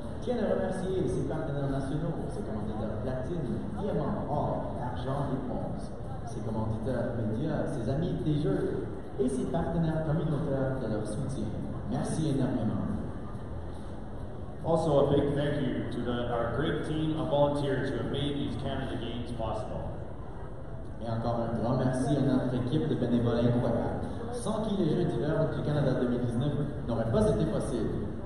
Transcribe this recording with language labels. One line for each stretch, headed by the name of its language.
French: tiennent à remercier ses partenaires nationaux, ses commanditaires platine, diamant, or, argent et bronze, ses commanditaires médias, ses amis des Jeux et ses partenaires communautaires de leur soutien. Merci énormément.
English: Also, a big thank you to our great team of volunteers who have made these Canada Games possible.
French: Et encore un grand merci à notre équipe de bénévoles incroyables, sans qui les Jeux d'hiver du Canada 2019 n'auraient pas été possibles.